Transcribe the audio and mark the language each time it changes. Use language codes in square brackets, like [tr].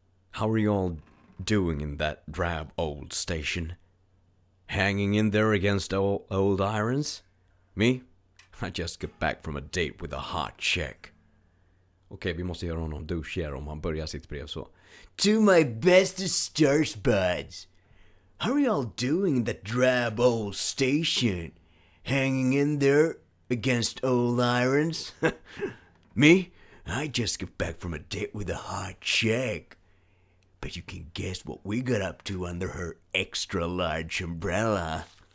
[en] How are you all doing in that drab old station? Hanging in there against old irons? Me? I just got back from a date with a hot chick. [sv] Okej, vi måste göra honom douchigare om han börjar sitt brev så. [en] To my bestest Stars buds. How are you all doing in that drab old station? Hanging in there against old irons? Me? I just got back from a date with a hot chick. But you can guess what we got up to under her extra large umbrella.